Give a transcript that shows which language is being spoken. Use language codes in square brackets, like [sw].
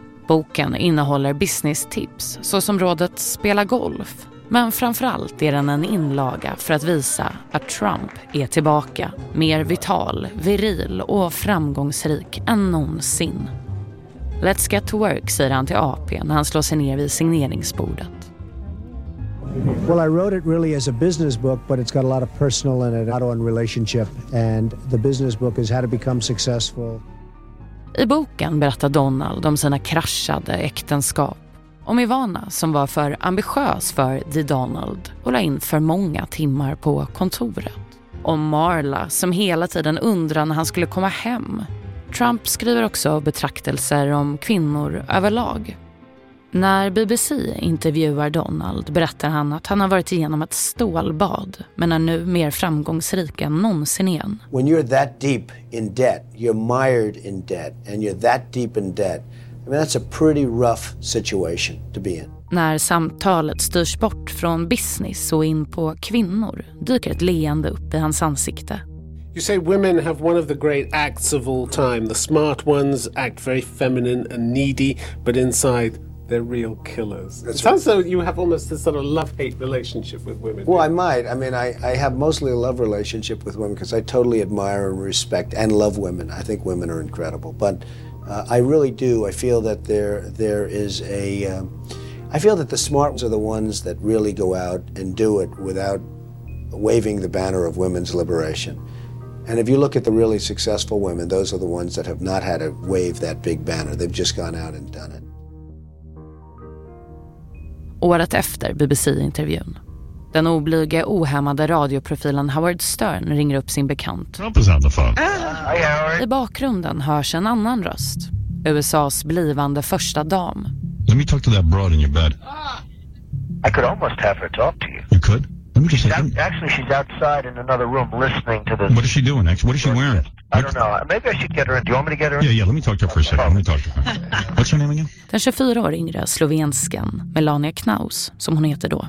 [sv] Boken innehåller business-tips såsom rådet spela golf. Men framförallt är den en inlaga för att visa att Trump är tillbaka. Mer vital, viril och framgångsrik än någonsin. [en] Let's get to work, [sv] säger han till AP när han slår sig ner vid signeringsbordet. [en] Well, I wrote it really as a business book, but it's got a lot of personal in it, auto and relationship, and the business book is how to become successful. [sv] I boken berättar Donald om sina kraschade äktenskap, om Ivana som var för ambitiös för The Donald och la in för många timmar på kontoret. Om Marla som hela tiden undrar när han skulle komma hem. Trump skriver också betraktelser om kvinnor överlag. När BBC intervjuar Donald berättar han att han har varit igenom ett stålbad, men är nu mer framgångsrik än någonsin igen. [en] When you're that deep in debt, you're mired in debt, and you're that deep in debt, I mean, that's a pretty rough situation to be in. [sv] När samtalet styrs bort från business och in på kvinnor dyker ett leende upp i hans ansikte. [en] You say women have one of the great acts of all time. The smart ones act very feminine and needy, but inside they're real killers. That's right. It sounds like you have almost this sort of love-hate relationship with women. Well, I might. I mean, I have mostly a love relationship with women because I totally admire and respect and love women. I think women are incredible. But I really do. I feel that there is a... I feel that the smart ones are the ones that really go out and do it without waving the banner of women's liberation. And if you look at the really successful women, those are the ones that have not had to wave that big banner. They've just gone out and done it. [sv] Året efter BBC-intervjun. Den oblyga, ohämmade radioprofilen Howard Stern ringer upp sin bekant. [en] Trump is on the phone. Hi, Howard. [sv] I bakgrunden hörs en annan röst. USA:s blivande första dam. [en] Let me talk to that broad in your bed. I could almost have her talk to you. You could? Actually, she's outside in another room listening to this. What is she doing, actually? What is she wearing? I don't know. Maybe I should get her in. Do you want me to get her in? Yeah, let me talk to her for a second. Let me talk to her. What's her name again? [sv] Den 24-åriga yngre slovenskan Melania Knaus, som hon heter då.